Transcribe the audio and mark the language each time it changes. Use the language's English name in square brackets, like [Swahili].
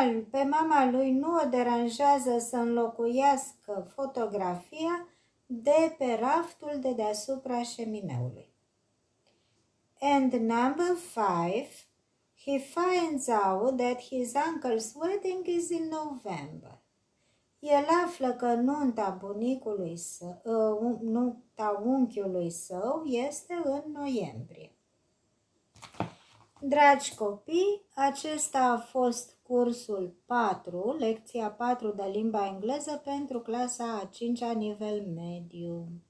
[Romanian] Pe mama lui nu o deranjează să înlocuiască fotografia de pe raftul de deasupra șemineului. [English] And number five, he finds out that his uncle's wedding is in November. [Romanian] El află că nunta bunicului său, nunta unchiului său este în noiembrie. Dragi copii, acesta a fost cursul 4, lecția 4 de limba engleză pentru clasa a 5-a nivel mediu.